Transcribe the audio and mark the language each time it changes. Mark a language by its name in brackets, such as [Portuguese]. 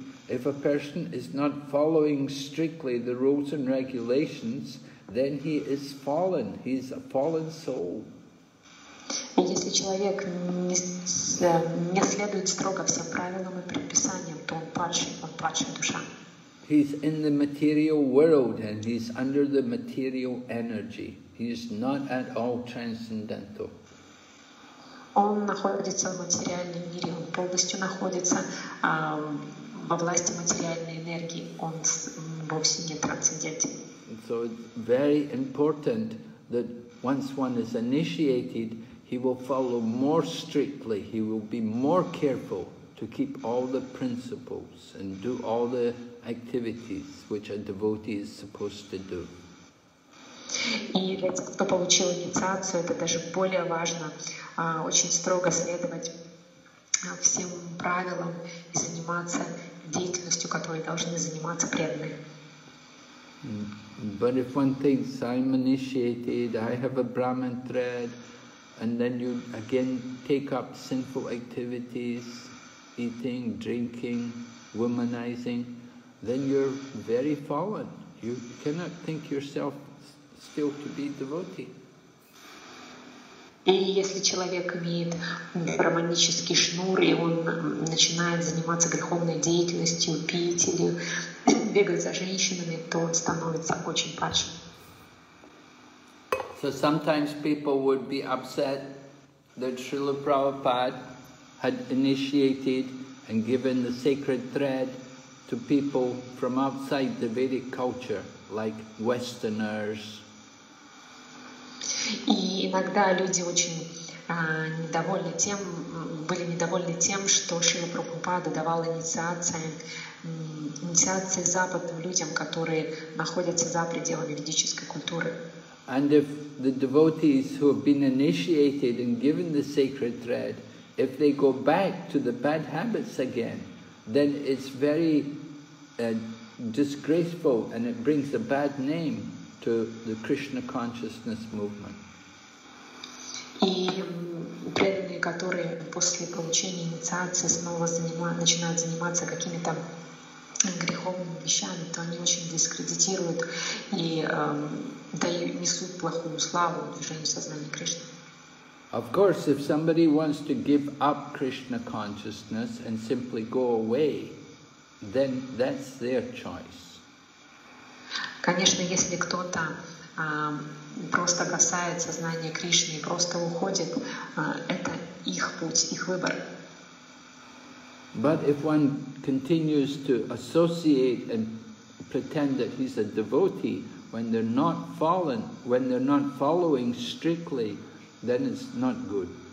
[English] If a person is not following strictly the rules and regulations, then he is fallen. He is a fallen soul. [Russian] Если человек не следует строго всем правилам и предписаниям, то он падший душа. [English] He's in the material world and he's under the material energy. He is not at all transcendental. [Russian] Он находится в материальном мире, он полностью находится во власти материальной энергии, он вовсе не трансцендентен. [English] So it's very important that once one is initiated, he will follow more strictly, he will be more careful to keep all the principles and do all the activities which a devotee is supposed to do. [Russian] И для тех, кто получил инициацию, это даже более важно, очень строго следовать всем правилам и заниматься деятельностью, которой должны заниматься преданные. [English] But if one thinks I'm initiated, I have a Brahman thread, and then you again take up sinful activities, eating, drinking, womanizing, then you're very fallen. You cannot think yourself still to be devotee. [Russian] И если человек имеет браманический шнур, и он начинает заниматься греховной деятельностью, пить или бегать за женщинами, то он становится очень падшим. [English] So sometimes people would be upset that Srila Prabhupada had initiated and given the sacred thread to people from outside the Vedic culture, like Westerners. [Russian] И иногда люди очень недовольны тем, были недовольны тем, что Шрила Прабхупада давал инициации западным людям, которые находятся за пределами ведической культуры. [English] And if the devotees who have been initiated and given the sacred thread, if they go back to the bad habits again, then it's very disgraceful and it brings a bad name to the Krishna consciousness movement. [Russian] И преданные, которые после получения инициации снова начинают заниматься какими-то греховными вещами, то они очень дискредитируют и несут плохую славу движению сознания Кришны. [English] Of course, if somebody wants to give up Krishna consciousness and simply go away, then that's their choice. [Russian] Конечно, если кто-то просто касает сознание Кришны и просто уходит, это их путь, их выбор. [English] But if one continues to associate and pretend that he's a devotee when they're not fallen, when they're not following strictly, then it's not good.